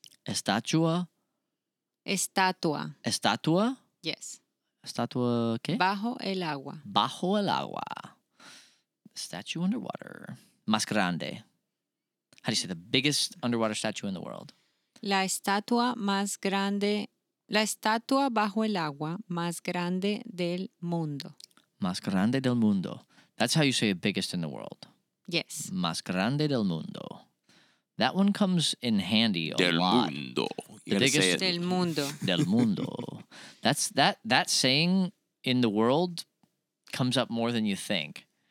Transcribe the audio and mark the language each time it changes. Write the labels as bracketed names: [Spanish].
[Spanish] Estatua? Estatua. Estatua? [English] Yes. [Spanish] Estatua, ¿qué? Bajo el agua. Bajo el agua. [English] Statue underwater. [Spanish] Más grande. [English] How do you say the biggest underwater statue in the world? [Spanish] La estatua más grande. La estatua bajo el agua más grande del mundo. Más grande del mundo. [English] That's how you say biggest in the world. Yes. [Spanish] Más grande del mundo. [English] That one comes in handy a lot. [Spanish] Del mundo. [English] The biggest [Spanish] del mundo. Del mundo. [English] That's that saying in the world comes up more than you think.